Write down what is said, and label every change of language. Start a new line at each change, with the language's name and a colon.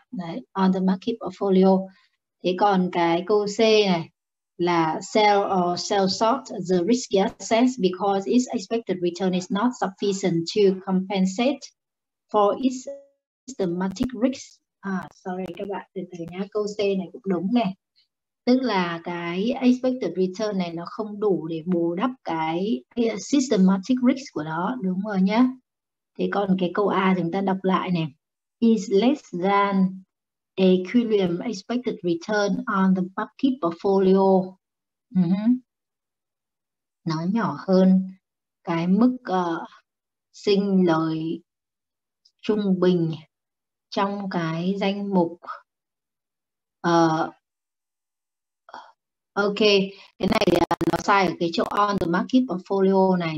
Vietnamese: Đấy,
English: on the market portfolio.
Vietnamese: Thế còn cái câu C này là
English: sell short the risky assets because its expected return is not sufficient to compensate for its systematic risk.
Vietnamese: À, sorry các bạn, từ từ nhá. Câu C này cũng đúng này. Tức là cái expected return này nó không đủ để bù đắp cái systematic risk của nó. Đúng rồi nhá. Thế còn cái câu A chúng ta đọc lại này.
English: Is less than equilibrium expected return on the market portfolio.
Vietnamese: Nó nhỏ hơn cái mức sinh lời trung bình trong cái danh mục. Ok, cái này nó sai ở cái chỗ
English: on the market portfolio
Vietnamese: này.